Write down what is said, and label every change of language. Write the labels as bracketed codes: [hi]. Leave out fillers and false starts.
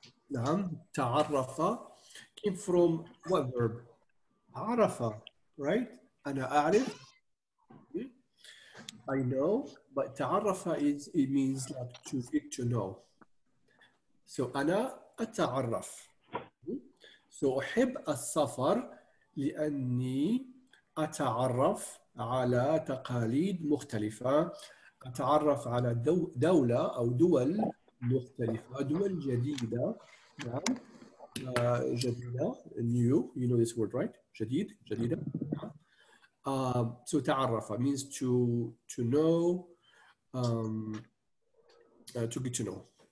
[ar] نعم تعرف [en] came from what verb? [ar] عرف, [en] right? [ar] أنا أعرف. [en] I know, but [ar] تعرف [en] is it means like to get to know. [ar] So أنا أتعرف. So أحب السفر لأني أتعرف على تقاليد مختلفة, أتعرف على دولة أو دول مختلفة, دول جديدة. نعم. جديدة. [en] New. You know this word, right? [ar] جديد. جديدة. [en] So [ar] تعرف [en] means to know, to get to know.